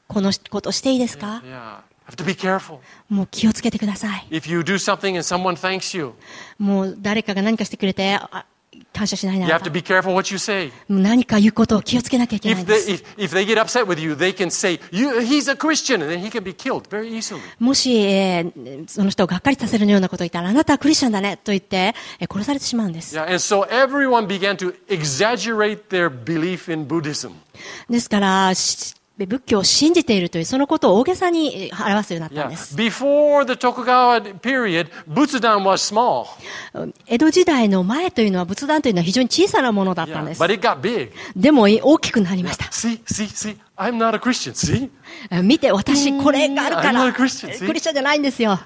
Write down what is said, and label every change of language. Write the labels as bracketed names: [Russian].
[Japanese] このことしていいですか？ [English] Yeah. Have to be careful. [Japanese] もう気をつけてください。 [English] If you do something and someone thanks you, [Japanese] もう誰かが何かしてくれて感謝しないなら、 [English] you have to be careful what you say. [Japanese] 何か言うことを気をつけなきゃいけないんです。 [English] If they get upset with you, they can say, you, he's a Christian, and then he can be killed very easily. [Japanese] もし、その人をがっかりさせるようなことを言ったら、あなたはクリスチャンだねと言って、殺されてしまうんです。 [English] Yeah, and so everyone began to exaggerate their belief in Buddhism. [Japanese] ですから、仏教を信じているというそのことを大げさに表すようになったんです。 [English] Yeah. Before the Tokugawa period, Butsudan was small. [Japanese] 江戸時代の前というのは仏壇というのは非常に小さなものだったんです。 [English] Yeah. But it got big. [Japanese] でも大きくなりました。 [English] Yeah. See, I'm not a Christian. See? [Japanese] 見て私これがあるから [English] I'm not a Christian. [Japanese] クリスチャンじゃないんですよ。